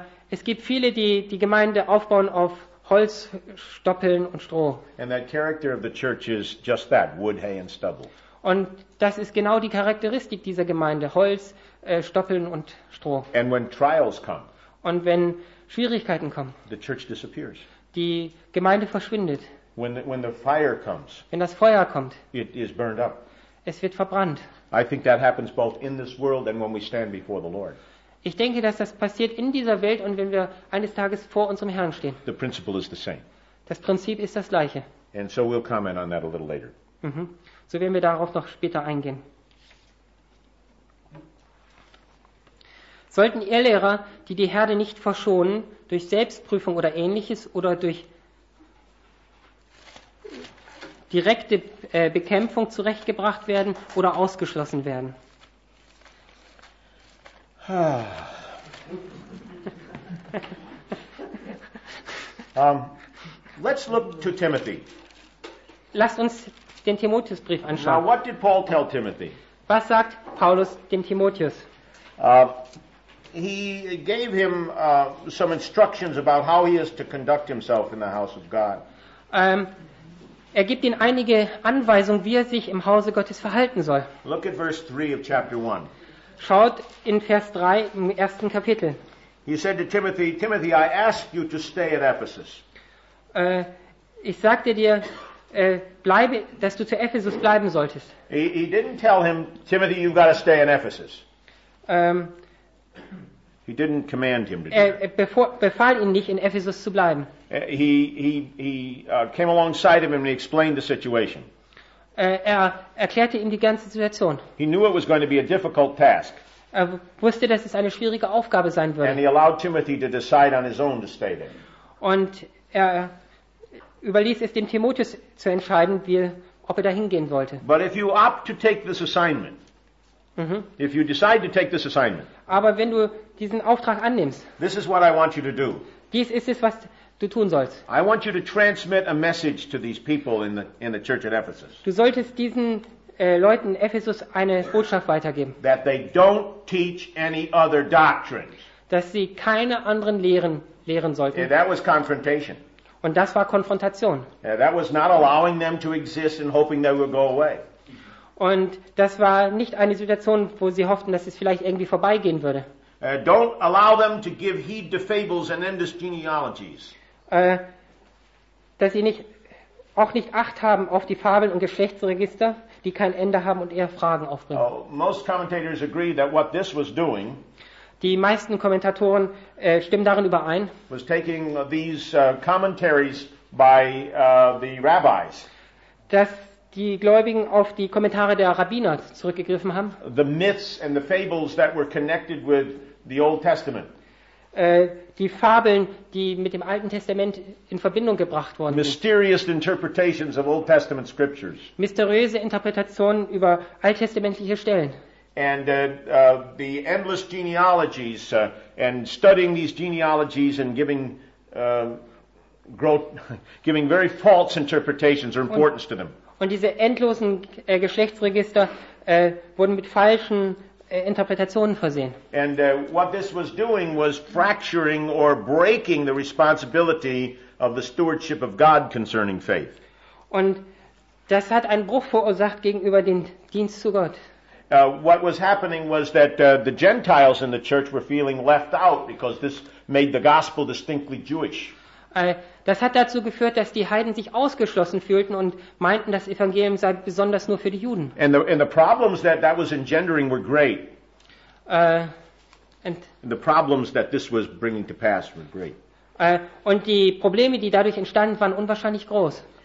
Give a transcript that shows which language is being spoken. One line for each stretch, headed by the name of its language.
German: Es gibt viele, die die Gemeinde aufbauen auf Holz, Stoppeln und Stroh.
English: And that character of the church is just that, wood, hay and stubble.
German: Und das ist genau die Charakteristik dieser Gemeinde, Holz, Stoppeln und Stroh.
English: And when trials come,
German: und wenn Schwierigkeiten kommen,
English: the church disappears.
German: Die Gemeinde verschwindet.
English: When the fire comes,
German: wenn das Feuer kommt,
English: it is burned up.
German: Es wird verbrannt.
English: I think that happens both in this world and when we stand before the Lord.
German: Ich denke, dass das passiert in dieser Welt und wenn wir eines Tages vor unserem Herrn stehen.
English: The principle is the same.
German: Das Prinzip ist das gleiche.
English: And so we'll comment on that a little later.
German: Mm-hmm. So werden wir darauf noch später eingehen. Sollten Irrlehrer, die die Herde nicht verschonen, durch Selbstprüfung oder Ähnliches oder durch direkte Bekämpfung zurechtgebracht werden oder ausgeschlossen werden?
English: Let's look to Timothy.
German: Lasst uns den Timotheusbrief anschauen.
English: Now, what did Paul tell Timothy?
German: Was sagt Paulus dem Timotheus?
English: He gave him some instructions about how he is to conduct himself in the house of God.
German: Er gibt ihnen einige Anweisungen, wie er sich im Hause Gottes verhalten soll.
English: Look at verse 3 of chapter 1.
German: Schaut in Vers 3 im ersten Kapitel.
English: He said to Timothy, Timothy, I asked you to stay at Ephesus.
German: Ich sagte dir, bleibe, dass du zu Ephesus bleiben solltest.
English: He didn't tell him, Timothy, you've got to stay in Ephesus. He didn't command him to do that.
German: Befahl ihn nicht, in Ephesus zu bleiben.
English: He came alongside him and he explained the situation.
German: Er erklärte ihm die ganze Situation.
English: He knew it was going to be a difficult task.
German: Er wusste, dass es eine schwierige Aufgabe sein würde.
English: And he allowed Timothy to decide on his own to stay there.
German: Und er überließ es dem Timotheus zu entscheiden, wie, ob er dahin gehen wollte.
English: But if you opt to take this assignment, if you decide to take this assignment,
German: aber wenn du diesen Auftrag annimmst,
English: this is what I want you to do.
German: Dies ist es, was du tun sollst.
English: I want you to transmit a message to these people in the church at Ephesus.
German: Du solltest diesen Leuten in Ephesus eine Botschaft weitergeben.
English: That they don't teach any other doctrines.
German: Dass sie keine anderen Lehren lehren sollten.
English: That was confrontation.
German: Und das war Konfrontation.
English: That was not allowing them to exist and hoping they would go away.
German: Und das war nicht eine Situation, wo sie hofften, dass es vielleicht irgendwie vorbeigehen würde.
English: Don't allow them to give heed to fables and endless genealogies.
German: Dass sie nicht auch nicht Acht haben auf die Fabeln und Geschlechtsregister, die kein Ende haben und eher Fragen aufbringen.
English: Most commentators agree that what this was doing,
German: die meisten Kommentatoren stimmen darin überein,
English: was taking these commentaries by the rabbis.
German: Dass die Gläubigen auf die Kommentare der Rabbiner zurückgegriffen haben.
English: The myths and the fables that were connected with the Old Testament.
German: Die Fabeln, die mit dem Alten Testament in Verbindung gebracht wurden.
English: Mysterious interpretations of Old Testament scriptures.
German: Mysteriöse Interpretationen über alttestamentliche Stellen.
English: And the endless genealogies and studying these genealogies and giving very false interpretations or importance to them.
German: Und diese endlosen Geschlechtsregister wurden mit falschen Interpretationen versehen.
English: And what this was doing was fracturing or breaking the responsibility of the stewardship of God concerning faith.
German: Und das hat einen Bruch verursacht gegenüber dem Dienst zu Gott.
English: What was happening was that the Gentiles in the church were feeling left out because this made the gospel distinctly Jewish.
German: Das hat dazu geführt, dass die Heiden sich ausgeschlossen fühlten und meinten, das Evangelium sei besonders nur für die Juden.
English: And the problems that was engendering were great. And the problems that this was bringing to pass were great.
German: Und die Probleme, die dadurch entstanden, waren unwahrscheinlich groß.